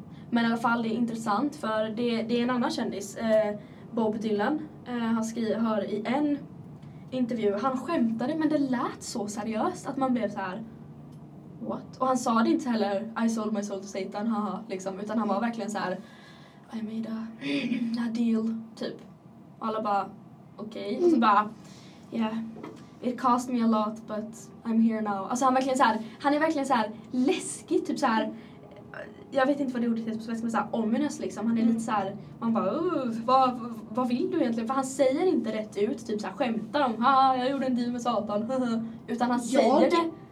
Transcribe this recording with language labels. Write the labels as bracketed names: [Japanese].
[Swedish] Men i alla fall, det är intressant, för det är en annan kändis. Bob Dylan har i en intervju, han skämtade, men det lät så seriöst att man blev så här. What? Och han sa det inte heller, [English] I sold my soul to Satan, [Swedish] haha, liksom. Utan han var verkligen så här, [English] I made a deal, [Swedish] typ. Och alla bara, okej. Okay. Och så bara, [English] yeah, it cost me a lot, but I'm here now. [Swedish] Alltså han verkligen så här, han är verkligen så här läskig, typ så här. Jag vet inte vad det ordet heter på svenska, men så här ominous liksom. Han är lite så här, man bara, vad vill du egentligen? För han säger inte rätt ut, typ så här, skämtar om, haha, jag gjorde en deal med Satan, utan han säger det.